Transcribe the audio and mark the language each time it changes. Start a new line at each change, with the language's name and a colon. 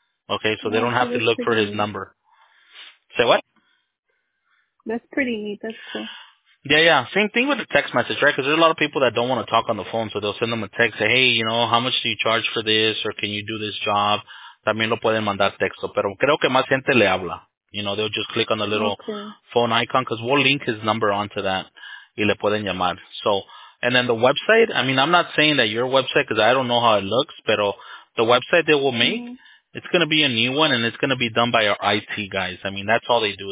English: Okay, so they don't have to look for his number. Say what? That's pretty neat. That's cool. Yeah, yeah. Same thing with the text message, right? Because there's a lot of people that don't want to talk on the phone, so they'll send them a text, say, hey, you know, how much do you charge for this, or can you do this job?
Spanish: También lo pueden mandar texto, pero creo que más gente le habla.
English: You know, they'll just click on the little phone icon, because we'll link his number onto that,
Spanish: y le pueden llamar.
English: So, and then the website, I mean, I'm not saying that your website, because I don't know how it looks, pero the website they will make, it's going to be a new one, and it's going to be done by our IT guys. I mean, that's all they do.